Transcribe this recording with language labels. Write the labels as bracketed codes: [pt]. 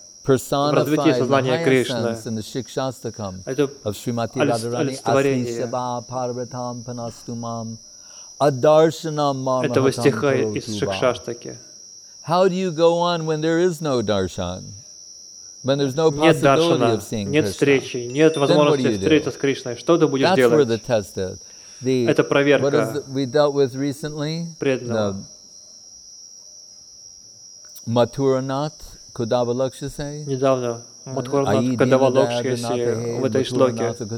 [ru] Продвижение сознания Кришны. Этого стиха из Шикшастаки. [en] How do you go on when there is no darshan? When there's no possibility of seeing Krishna? [ru] Нет встречи, нет возможности встретиться с Кришной. Что ты будешь делать? [en] That's where the test is. [ru] Это проверка. [en] What we dealt with recently? [ru] Матуранат, Кудавалакшасе. Недавно Матуранат, Кудавалакшасе в этой шлоке.